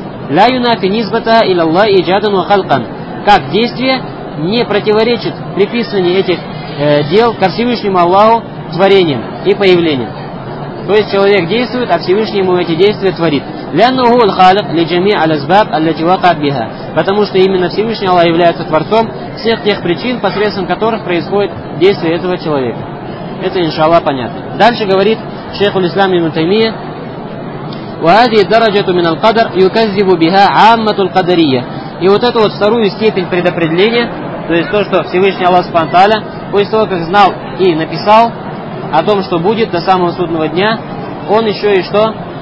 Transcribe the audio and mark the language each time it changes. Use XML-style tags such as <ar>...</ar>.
<ar>«Ля юнафи низбата илаллах иджадан ва халкан».</ar> <ru>Как действие не противоречит приписыванию этих дел ко Всевышнему Аллаху творением и появлением. То есть человек действует, а Всевышний ему эти действия творит.</ru> <ar>«Ляннуху лхалик лиджами алазбаб аллативаку биха».</ar> <ru>Потому что именно Всевышний Аллах является творцом всех тех причин, посредством которых происходит действие этого человека. Это, иншаллах, понятно. Дальше говорит шейх ул-Ислам ибн Таймия,</ru> <ar>وهذه الدرجة من القدر يكذب بها عامة القدرية.</ar> <ru>И вот эту вот вторую степень предопределения, то есть то, что Всевышний Аллах Субхану Тааля, после того, как знал и написал о том, что будет до самого судного дня, он еще и что?</ru>